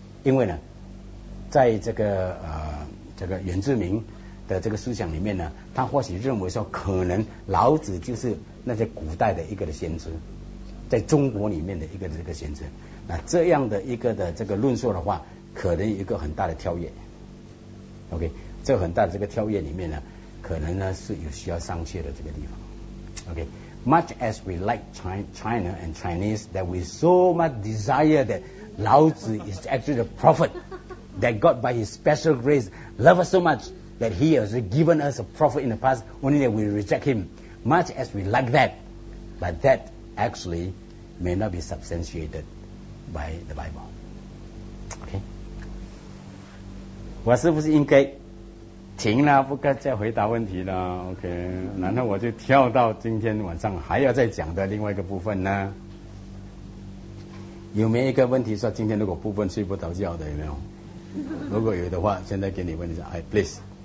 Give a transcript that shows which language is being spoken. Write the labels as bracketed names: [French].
[Chinese] 因为呢，在这个这个原住民的这个思想里面呢，他或许认为说，可能老子就是那些古代的一个的先知，在中国里面的一个的这个先知。那这样的一个的这个论述的话，可能有一个很大的跳跃。 OK， 这很大的这个跳跃里面呢，可能呢是有需要商榷的这个地方。 [English] OK， much as we like China and Chinese, that we so much desire that 老子 is actually the prophet that God by His special grace loves so much that He has given us a prophet in the past, only that we reject Him. Much as we like that, but that actually may not be substantiated. By the Bible. [Chinese] OK， 我是不是应该停了，不该再回答问题了？ OK， 难道我就跳到今天晚上还要再讲的另外一个部分呢？有没有一个问题说今天如果部分睡不着觉的，有没有？如果有的话，现在给你问一下。哎， please。